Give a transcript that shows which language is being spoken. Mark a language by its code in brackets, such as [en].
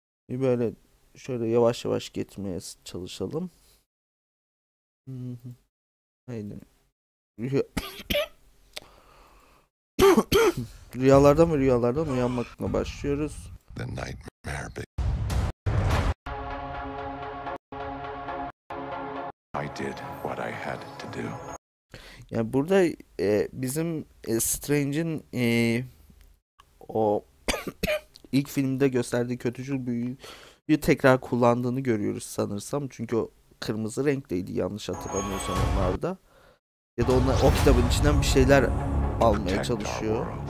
[tr] Böyle şöyle yavaş yavaş getirmeye çalışalım. Aynen. Rüyalardan uyanmakla başlıyoruz. [en] The nightmare be- I did what I had to do. [tr] Yani burada bizim Strange'in o ilk filmde gösterdiği kötücül büyüyü tekrar kullandığını görüyoruz sanırsam. Çünkü o kırmızı renkliydi yanlış hatırlamıyorsam onlarda. Ya da onlar o kitabın içinden bir şeyler almaya çalışıyor.